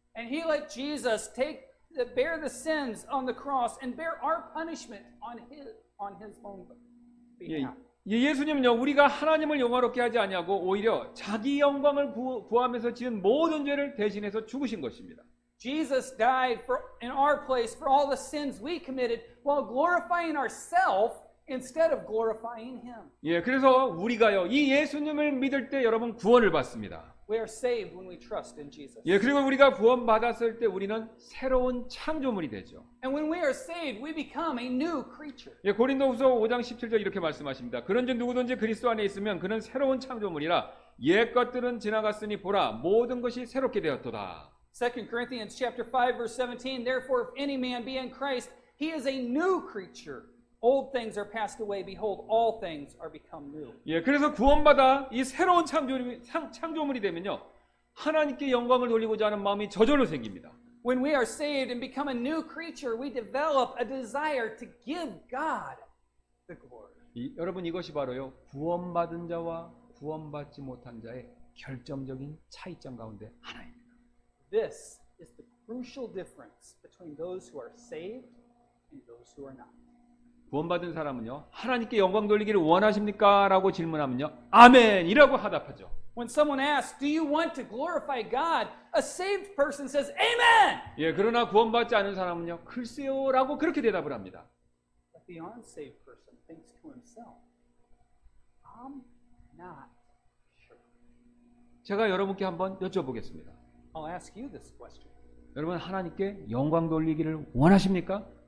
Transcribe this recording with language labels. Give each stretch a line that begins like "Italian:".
English: And He let Jesus bear the sins on the cross and bear our punishment on His own behalf.
Korean: 예, 예, 예수님은요 우리가 하나님을 영화롭게 하지 아니하고 오히려 자기 영광을 구하면서 지은 모든 죄를 대신해서 죽으신 것입니다.
English: Jesus died in our place for all the sins we committed while glorifying ourselves instead of glorifying Him.
Korean: 예, 그래서 우리가요 이 예수님을 믿을 때 여러분 구원을 받습니다.
English: We are saved when we trust in Jesus.
Korean: 예, 그리고 우리가 구원 받았을 때 우리는 새로운 창조물이 되죠.
English: And when we are saved, we become a new creature.
Korean: 예, 고린도후서 5장 17절 이렇게 말씀하십니다. 그런즉 누구든지 그리스도 안에 있으면 그는 새로운 창조물이라 옛 것들은 지나갔으니 보라 모든 것이 새롭게 되었도다.
English: 2 Corinthians chapter 5 verse 17. Therefore, if any man be in Christ, he is a new creature. Old things are passed away. Behold, all things are become new.
Korean: 예, 그래서 구원받아 이 새로운 창조물이 되면요, 하나님께 영광을 돌리고자 하는 마음이 저절로 생깁니다.
English: When we are saved and become a new creature, we develop a desire to give God the glory.
Korean: 이, 여러분 이것이 바로요 구원받은 자와 구원받지 못한 자의 결정적인 차이점 가운데 하나입니다.
English: This is the crucial difference between those who are saved and those who are not.
Korean: 구원받은 사람은요 하나님께 영광 돌리기를 원하십니까? 라고 질문하면요 아멘! 이라고 하답하죠.
English: When someone asks, do you want to glorify God? A saved person says, Amen!
Korean: 예, 그러나 구원받지 않은 사람은요 글쎄요 라고 그렇게 대답을 합니다.
English: But the unsaved person thinks to himself, I'm not sure.
Korean: 제가 여러분께 한번 여쭤보겠습니다.
English: I'll ask you this question.
Korean: 여러분 하나님께 영광 돌리기를 원하십니까?